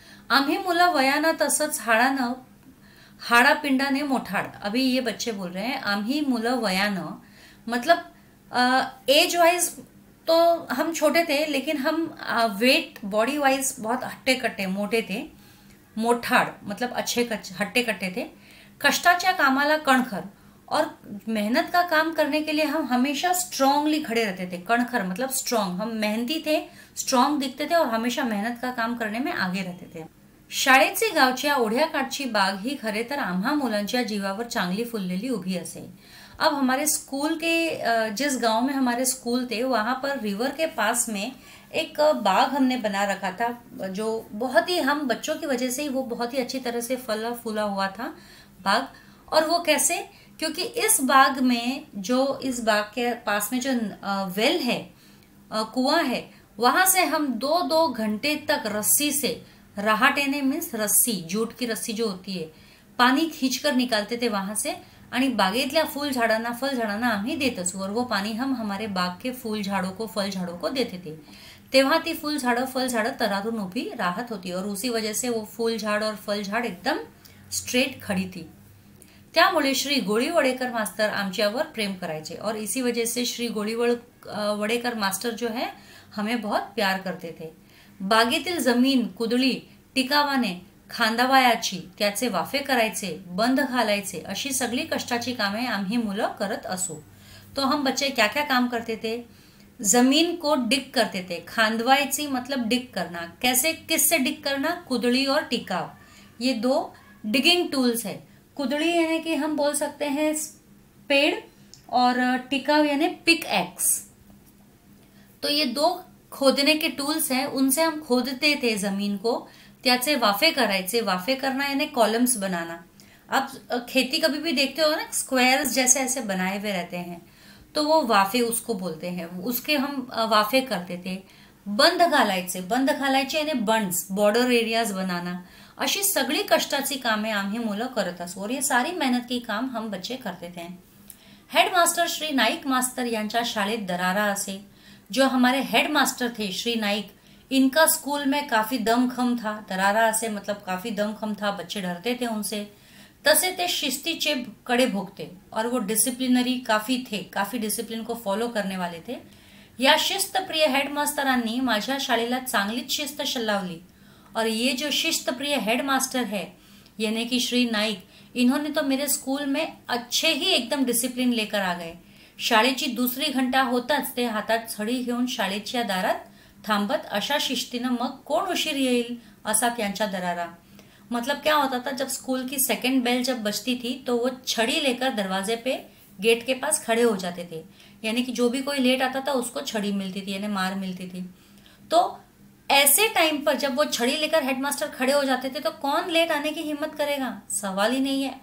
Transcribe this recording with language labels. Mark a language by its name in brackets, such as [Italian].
[Marathi] आम्ही मुला वयाना तसच हाडान, हाडा पिंडाने मोठाड, [Hindi] अभी ये बच्चे बोल रहे हैं आम्ही मुला वयान, मतलब एज वाइज तो हम छोटे थे, लेकिन हम वेट बॉडी वाइज बहुत हट्टे कट्टे मोटे थे। मोठाड मतलब अच्छे हट्टे कट्टे थे। [Marathi] कष्टाच्या कामाला कणखर, [Hindi] और मेहनत का काम करने के लिए हम हमेशा स्ट्रांगली खड़े रहते थे। कणखर मतलब स्ट्रांग, हम मेहनती थे, स्ट्रांग दिखते थे, और हमेशा मेहनत का काम करने में आगे रहते थे। [Marathi] शाळेचे गावच्या ओढ्याकाठची बाग ही खरे तर आम्हा मुलांच्या जीवावर चांगली फुललेली उभी असे। [Hindi] अब हमारे स्कूल के जिस गांव में हमारे स्कूल थे वहां पर रिवर के पास में एक बाग हमने बना रखा था, जो बहुत ही, हम बच्चों की वजह से ही वो बहुत ही अच्छी तरह से फला फूला हुआ था बाग। और वो कैसे, क्योंकि इस बाग में जो, इस बाग के पास में जो वेल है, कुआं है, वहां से हम 2-2 घंटे तक रस्सी से, रहाटे ने मीन्स रस्सी, जूट की रस्सी जो होती है, पानी खींचकर निकालते थे वहां से, [Marathi] आणि बागेतल्या फल झाडांना आम्ही देत असू, [Hindi] और वो पानी हम हमारे बाग के फूल झाड़ों को, फल झाड़ों को देते थे। [Marathi] ती फूल झाड़ फल झाड़ तरारू नो भी राहत होती, [Hindi] और उसी वजह से वो फूल झाड़ और फल झाड़ एकदम स्ट्रेट खड़ी थी। [Marathi] त्यामुळे श्री गोळी वड़ेकर मास्तर आमच्यावर प्रेम करायचे, [Hindi] और इसी वजह से श्री गोळी वड़ेकर मास्टर जो है हमें बहुत प्यार करते थे। [Marathi] बागेतील जमीन कुदळी टिकावाने खांदावायाची, त्याचे वाफे करायचे, बंद घालायचे, अशी सगळी कष्टाची कामे आम्ही मुलं करत असू। [Hindi] तो हम बच्चे क्या क्या काम करते थे? जमीन को डिक करते थे, खांदवायची मतलब डिक करना। कैसे, किससे डिक करना? कुदळी और टिकाव, ये दो डिगिंग टूल्स है। कुदळी यानी कि हम बोल सकते हैं पेड़, और टिकाव यानी पिक एक्स। तो ये दो खोदने के टूल्स हैं, उनसे हम खोदते थे जमीन को, [Marathi] त्याचे वाफे करायचे। [Hindi] वाफे करना यानी कॉलम्स बनाना। आप खेती कभी भी देखते हो ना, स्क्वायर्स जैसे ऐसे बनाए हुए रहते हैं, तो वो वाफे उसको बोलते हैं, उसके हम वाफे करते थे। [Marathi] बंद घालायचे, बंद घालायचे [Hindi] यानी बंड्स, बॉर्डर एरियाज बनाना। [Marathi] अशी सगळी कष्टाची कामे आम्ही मुलं करत असू, [Hindi] और ये सारी मेहनत की काम हम बच्चे करते थे। [Marathi] हेडमास्टर श्री नाईक मास्तर यांच्या शाळेत दरारा असे। [Hindi] जो हमारे हेडमास्टर थे श्री नाईक, इनका स्कूल में काफी दमखम था। दरारा असे मतलब काफी दमखम था, बच्चे डरते थे उनसे। [Marathi] तसे ते शिस्तीचे कड़े भोगते, [Hindi] और वो डिसिप्लिनरी काफी थे, काफी डिसिप्लिन को फॉलो करने वाले थे। [Marathi] या शिस्त प्रिय हेडमास्तरांनी माझ्या शाळेला चांगली शिस्त शलावली। [Hindi] और ये जो शिस्त प्रिय हेडमास्टर है यानी कि श्री नाईक, इन्होंने तो मेरे स्कूल में अच्छे ही एकदम डिसिप्लिन लेकर आ गए। [Marathi] शाळेची दुसरी घंटा होताच ते हातात छडी घेऊन शाळेच्या दारात थांबत, अशा शिस्तीनं मग कोण उशीर येईल असा त्यांचा दरारा। [Hindi] मतलब क्या होता था, जब स्कूल की सेकंड बेल जब बजती थी तो वो छड़ी लेकर दरवाजे पे गेट के पास खड़े हो जाते थे, यानी कि जो भी कोई लेट आता था उसको छड़ी मिलती थी, यानी मार मिलती थी। तो ऐसे टाइम पर जब वो छड़ी लेकर हेडमास्टर खड़े हो जाते थे तो कौन लेट आने की हिम्मत करेगा, सवाल ही नहीं है।